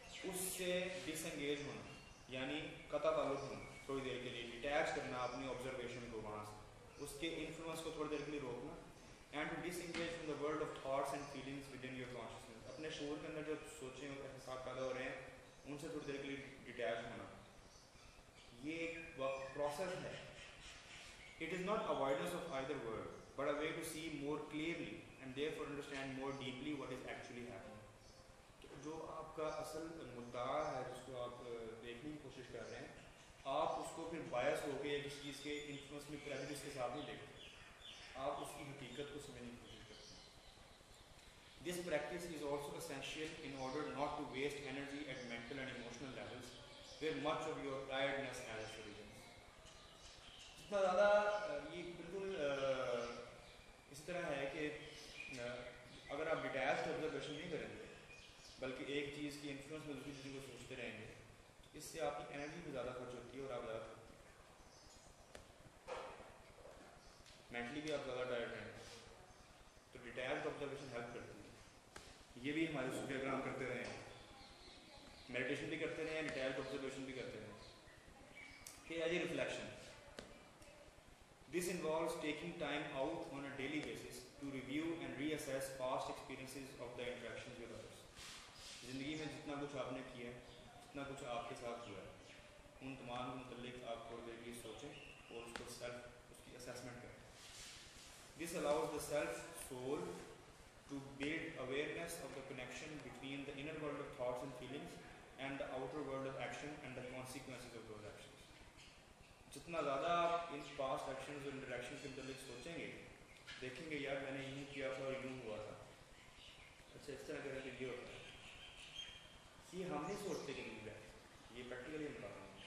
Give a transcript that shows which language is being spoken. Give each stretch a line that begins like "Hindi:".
Hindi: उससे डिसएंगेज होना यानी कतअ ताल्लुक होना थोड़ी देर के लिए, डिटैच करना अपनी ऑब्जर्वेशन को वहाँ से, उसके इन्फ्लुएंस को थोड़ी देर के लिए रोकना
English: And to disengage from the world of thoughts and feelings within your consciousness.
Hindi: अपने शोर के अंदर जो सोचें और एहसास पैदा हो रहे हैं उनसे थोड़ी देर के लिए डिटैच होना, ये एक प्रोसेस है.
English: It is not avoidance of either world, but a way to see more clearly and therefore understand more deeply what is actually happening.
Hindi: तो जो आपका असल मुद्दा है जिसको आप देखने की कोशिश कर रहे हैं, आप उसको फिर बायस होकर या किसी चीज़ के इन्फ्लुएंस में प्रेजेंस के साथ नहीं देखते, आप उसकी हकीकत को समझने की कोशिश करते हैं.
English: This practice is also essential in order not to waste energy at mental and emotional levels where much of your tiredness has arisen.
Hindi: इतना ज़्यादा ये बिल्कुल इस तरह है कि अगर आप डिटैच ऑब्जर्वेशन नहीं करेंगे बल्कि एक चीज़ की इन्फ्लुएंस में दूसरी चीज़ को सोचते रहेंगे तो इससे आपकी एनर्जी भी ज़्यादा खर्च होती है और आप ज़्यादा थकते हैं, मेंटली भी आप ज़्यादा टायर्ड रहेंगे. तो डिटैच ऑब्जर्वेशन हेल्प करती है. ये भी हमारे सूर्यग्राम करते रहे हैं, मेडिटेशन भी करते रहे हैं, डिटैच ऑब्जर्वेशन भी करते रहे हैं.
English: कि as a reflection This involves taking time out on a daily basis to review and reassess past experiences of the interactions with others.
Hindi: जिंदगी में जितना कुछ आपने किया है, जितना कुछ आपके साथ हुआ है, उन तमाम के मुतल्लिक आप थोड़ी देर के लिए सोचें और उसको सेल्फ उसकी असेसमेंट करें.
English: This allows the self soul to build awareness of the connection between the inner world of thoughts and feelings and the outer world of action and the consequences of those actions.
Hindi: जितना ज़्यादा आप in past actions और interaction के मतलब सोचेंगे, देखेंगे यार मैंने यूँ किया था और यूँ हुआ था, अच्छा इस तरह करने के लिए होता है, ये हम नहीं सोचते कि नहीं बैठ, ये प्रैक्टिकली बता रहा हूँ.